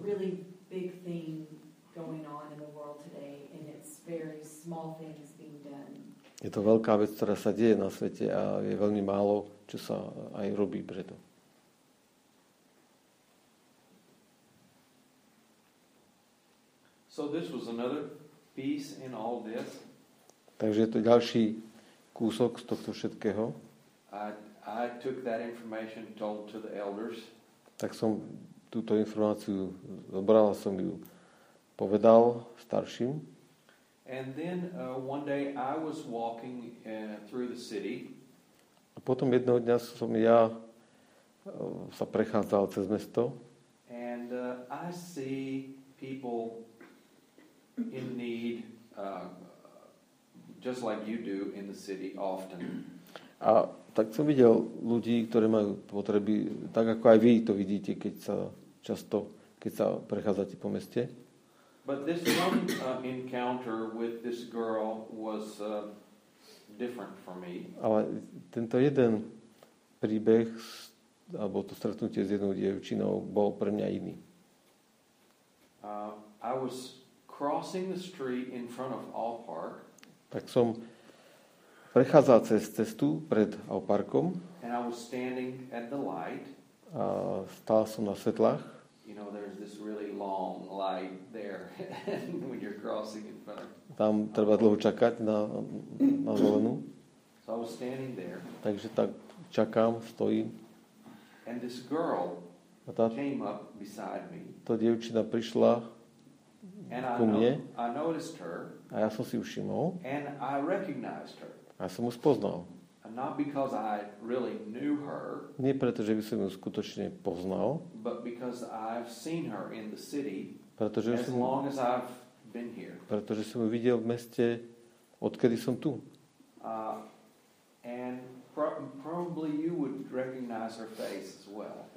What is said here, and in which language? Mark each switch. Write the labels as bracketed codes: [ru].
[en] really big thing going on in the world today and it's very small things being done. [sk] Je to veľká vec, ktorá sa deje na svete a je veľmi málo, čo sa aj robí preto. [en] So this was another piece in all this. [sk] Takže je to ďalší kúsok z tohto všetkého. [en] I took that information told to the elders. [sk] Tak som túto informáciu zobral a som ju povedal starším. [en] And then one day I was walking through the city. [sk] A potom jedného dňa som ja sa prechádzal cez mesto. [en] And I see people in need just like you do in the city often. [sk] A tak som videl ľudí, ktorí majú potreby, tak ako aj vy to vidíte, keď sa prechádzate po meste. [en] But this one encounter with this girl was different for me. [sk] Ale tento jeden príbeh alebo to stretnutie s jednou dievčinou bol pre mňa iný. [en] I was crossing the street in front of All Park. [sk] Tak som prechádzal cez cestu pred All Parkom. [en] And I was standing at the light. [sk] A stál som na svetlách. [en] You know there's this really long light there when you're crossing in front. [sk] Tam treba dlho čakať na zelenú. [en] So I was standing there. [sk] Takže tak čakám, stojím. [en] And this girl came up beside me. [sk] To dievčina prišla ku mne. [en] I noticed her. [sk] A ja som si všimol. [en] And I recognized her. [sk] A som ju spoznal. [en] Not because I really knew her. [sk] Nie preto, že by som ju skutočne poznal. [en] But because I've seen her in the city. [sk] Pretože [en] as long as I've been here. [sk] Pretože som ju videl v meste, odkedy som tu. [en] And probably you would recognize her face as well.